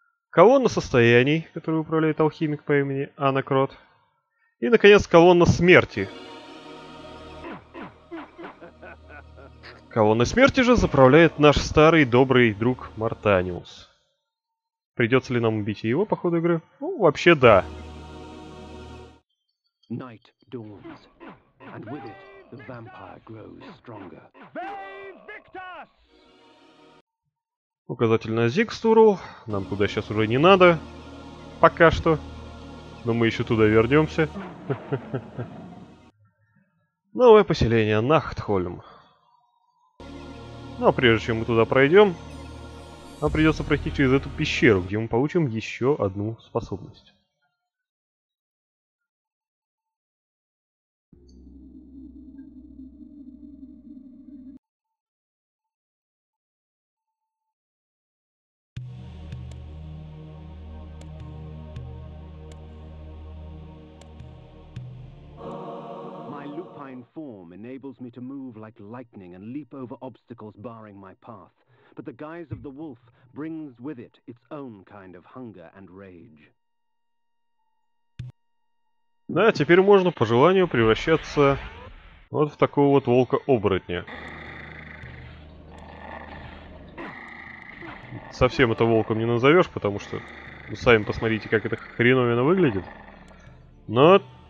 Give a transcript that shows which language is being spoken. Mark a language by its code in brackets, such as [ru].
[ru] Колонна состояний, которую управляет алхимик по имени Анакрот. И, наконец, колонна смерти. Колонна смерти же заправляет наш старый добрый друг Мартаниус. Придется ли нам убить его по ходу игры? Ну, вообще да. [en] Night dawns, and with it the vampire grows stronger. [ru] Указатель на Зигстуру. Нам туда сейчас уже не надо. Пока что. Но мы еще туда вернемся. Новое поселение Нахтхольм. Ну а прежде чем мы туда пройдем, нам придется пройти через эту пещеру, где мы получим еще одну способность. [en] My lupine form enables me to move like lightning and leap over obstacles barring my path, but the guise of the wolf brings with it its own kind of hunger and rage. [ru] Да, теперь можно по желанию превращаться вот в такого вот волка-оборотня. Совсем это волком не назовешь, потому что... Вы сами посмотрите, как это хреновенно выглядит. Но...